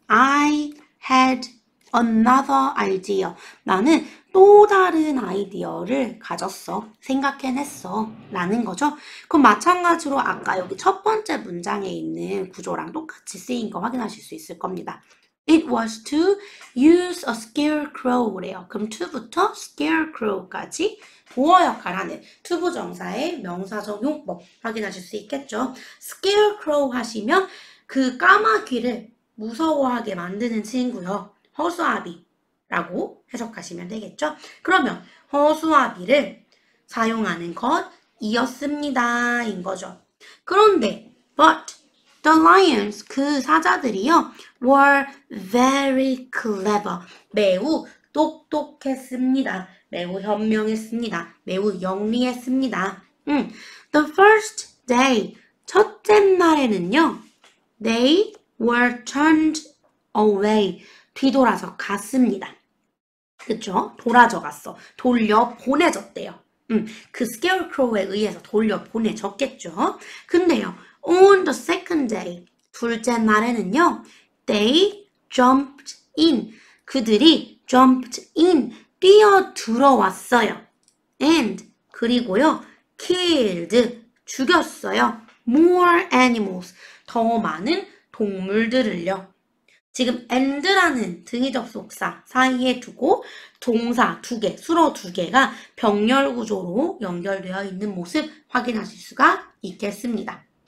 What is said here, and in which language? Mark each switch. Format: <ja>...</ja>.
<en>I had another idea.</en> <ko>나는 또 다른 아이디어를 가졌어. 생각해냈어. 라는 거죠. 그럼 마찬가지로 아까 여기 첫 번째 문장에 있는 구조랑 똑같이 쓰인 거 확인하실 수 있을 겁니다.</ko> <en>It was to use a scarecrow래요.</en> <ko>그럼 to부터 scarecrow까지 보어 역할하는 to 부정사의 명사적 용법 확인하실 수 있겠죠. scarecrow 하시면 그 까마귀를 무서워하게 만드는 친구요. 허수아비. 라고 해석하시면 되겠죠? 그러면 허수아비를 사용하는 것 이었습니다. 인 거죠. 그런데,</ko> <en>but the lions,</en> <ko>그 사자들이요,</ko> <en>were very clever.</en> <ko>매우 똑똑했습니다. 매우 현명했습니다. 매우 영리했습니다.</ko> <en>The first day,</en> <ko>첫째 날에는요,</ko> <en>they were turned away.</en> <ko>뒤돌아서 갔습니다. 그쵸? 돌아져 갔어. 돌려 보내졌대요. 그 스케어크로우에 의해서 돌려 보내졌겠죠? 근데요,</ko> <en>on the second day,</en> <ko>둘째 날에는요,</ko> <en>they jumped in.</en> <ko>그들이</ko> <en>jumped in,</en> <ko>뛰어들어왔어요.</ko> <en>And,</en> <ko>그리고요,</ko> <en>killed,</en> <ko>죽였어요.</ko> <en>More animals,</en> <ko>더 많은 동물들을요. 지금 and라는 등이 접속사 사이에 두고 동사 두 개, 수로 두 개가 병렬 구조로 연결되어 있는 모습 확인하실 수가 있겠습니다.</ko>